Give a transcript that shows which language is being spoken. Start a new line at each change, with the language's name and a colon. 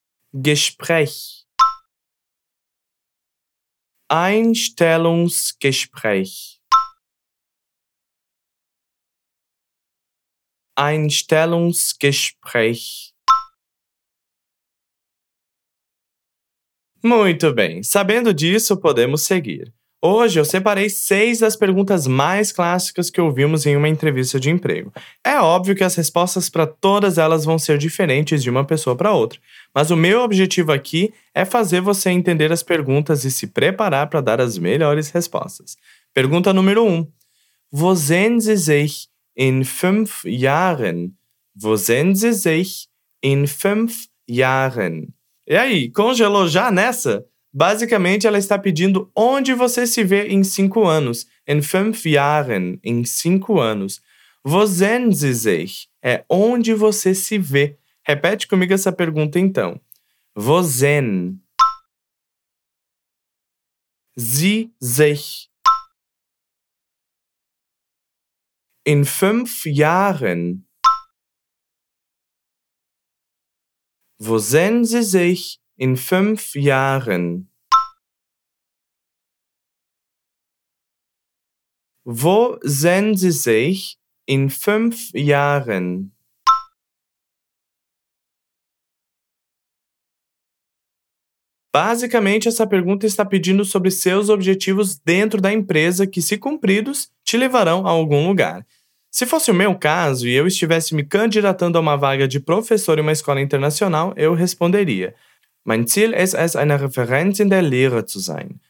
German: Einstellungsgespräch. Einstellungsgespräch. Einstellungsgespräch.
Portuguese: Muito bem, sabendo disso, podemos seguir. Hoje eu separei 6 das perguntas mais clássicas que ouvimos em uma entrevista de emprego. É óbvio que as respostas para todas elas vão ser diferentes de uma pessoa para outra, mas o meu objetivo aqui é fazer você entender as perguntas e se preparar para dar as melhores respostas. Pergunta número 1.
German: Wo sehen Sie sich in 5 Jahren? Wo sehen Sie sich in 5 Jahren?
Portuguese: E aí, congelou já nessa? Basicamente, ela está pedindo onde você se vê em 5 anos.
German: In 5 Jahren,
Portuguese: em 5 anos.
German: Wo sehen Sie sich?
Portuguese: É onde você se vê. Repete comigo essa pergunta, então.
German: Wo sehen Sie sich? In 5 Jahren. Wo sehen Sie sich in 5 Jahren? Wo sehen Sie sich in 5 Jahren?
Portuguese: Basicamente, essa pergunta está pedindo sobre seus objetivos dentro da empresa que, se cumpridos, te levarão a algum lugar. Se fosse o meu caso e eu estivesse me candidatando a uma vaga de professor em uma escola internacional, eu responderia:
German: Mein Ziel ist es, eine Referenz in der Lehre zu sein.